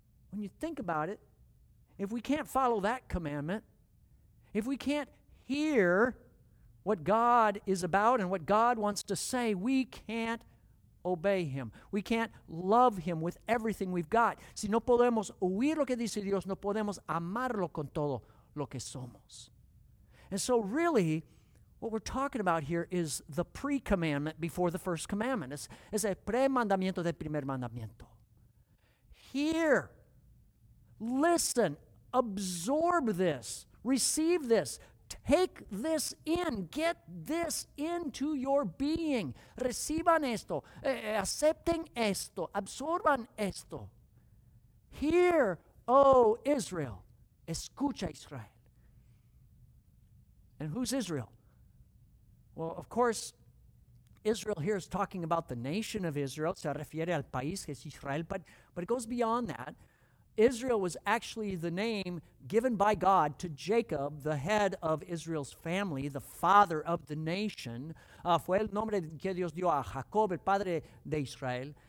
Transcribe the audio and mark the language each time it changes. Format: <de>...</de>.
<en>When you think about it, if we can't follow that commandment, if we can't hear what God is about and what God wants to say, we can't obey him. We can't love him with everything we've got.</en> <es>Si no podemos oír lo que dice Dios, no podemos amarlo con todo lo que somos.</es> <en>And so really, what we're talking about here is the pre-commandment before the first commandment.</en> <es>Es el pre-mandamiento del primer mandamiento. Hear.</es> <en>Listen, absorb this, receive this, take this in, get this into your being.</en> <es>Reciban esto, acepten esto, absorban esto.</es> <en>Hear, O Israel,</en> <es>escucha Israel.</es> <en>And who's Israel? Well, of course, Israel here is talking about the nation of Israel.</en> <es>Se refiere al país, que es Israel,</es> <en>but it goes beyond that. Israel was actually the name given by God to Jacob, the head of Israel's family, the father of the nation.</en> <es>Fue el nombre que Dios dio a Jacob, el padre de Israel.</es>